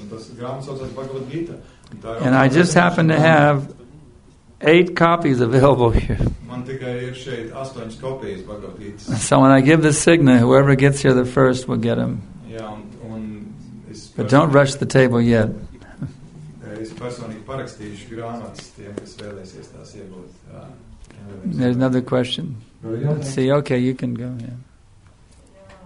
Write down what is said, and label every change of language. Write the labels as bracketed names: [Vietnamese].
[Latvian] Un tas grāmatas saucās Bhagavad Gita. [English] And I just happen to have 8 copies available here. [Latvian] Man tikai ir šeit 8 kopijas Bhagavad Gita. [English] So when I give the signal, whoever gets here the first will get them. [Latvian] Jā, un es [English] But don't rush the table yet. [Latvian] Es personīgi parakstīšu grāmatas tiem, kas vēlēsies tās iegūt. [English] There's another question. Let's see, okay, you can go, yeah.